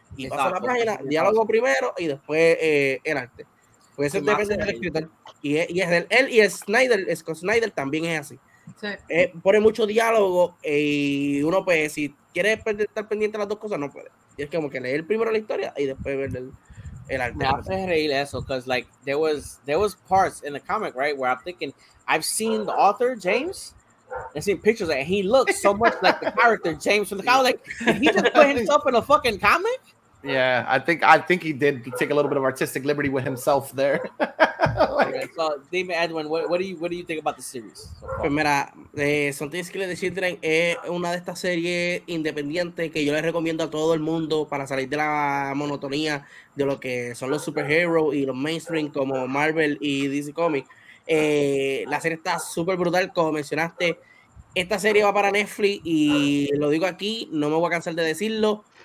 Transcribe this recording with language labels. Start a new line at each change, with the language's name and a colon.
Spanish: Y exacto, paso a la página, diálogo primero y después el arte. Pues eso depende del escritor. Y es el él y el Snyder, Scott Snyder también es así. Sí. Pone mucho diálogo y uno pues si quiere estar pendiente de las dos cosas, no puede. Y es como que leer primero la historia y después ver el arte. Me hace reír eso,
English: because like there was parts in the comic, right, where I'm thinking, I've seen the author, James. I seen pictures and he looks so much like the character James from the comic. Like, he just put himself in a fucking comic. Yeah, I think he did take a little bit of artistic liberty with himself there. Like, okay, so Damon Edwin, what do you think about the series?
Spanish: Pues mira, Something Skilled Children es una de estas series independientes que yo les recomiendo a todo el mundo para salir de la monotonía de lo que son los superheroes y los mainstream como Marvel y DC Comics. La serie está súper brutal, como mencionaste. Esta serie va para Netflix y lo digo aquí, no me voy a cansar de decirlo.